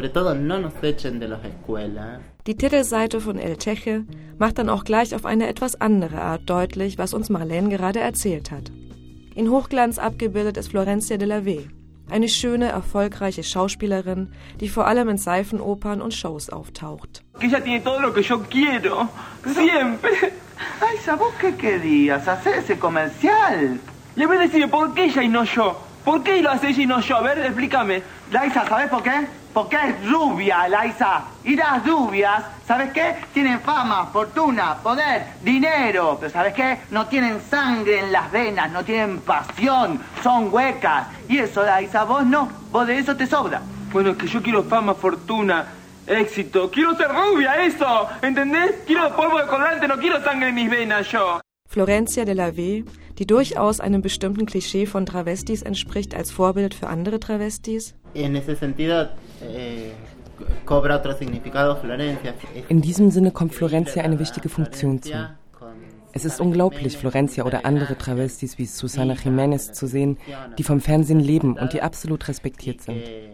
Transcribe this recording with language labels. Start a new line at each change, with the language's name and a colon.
German: Die Titelseite von El Teje macht dann auch gleich auf eine etwas andere Art deutlich, was uns Marlene gerade erzählt hat. In Hochglanz abgebildet ist Florencia de la V, eine schöne, erfolgreiche Schauspielerin, die vor allem in Seifenopern und Shows auftaucht.
Spanish: Ella tiene todo lo que yo quiero, siempre. Ay, ¿sabes qué querías hacer ese comercial? Le voy a decir por qué ella y no yo. ¿Por qué lo haces y no yo? A ver, explícame. Laiza, ¿sabes por qué? Porque es rubia, Laiza. Y las rubias, ¿sabes qué? Tienen fama, fortuna, poder, dinero. Pero ¿sabes qué? No tienen sangre en las venas, no tienen pasión, son huecas. Y eso, Laiza, vos no. Vos de eso te sobra. Bueno, es que yo quiero fama, fortuna, éxito. ¡Quiero ser rubia, eso! ¿Entendés? Quiero polvo de colorante, no quiero sangre en mis venas, yo.
German: Florencia de la V, die durchaus einem bestimmten Klischee von Travestis entspricht als Vorbild für andere Travestis. In diesem Sinne kommt Florencia eine wichtige Funktion zu. Es ist unglaublich, Florencia oder andere Travestis wie Susana Jiménez zu sehen, die vom Fernsehen leben und die absolut respektiert sind.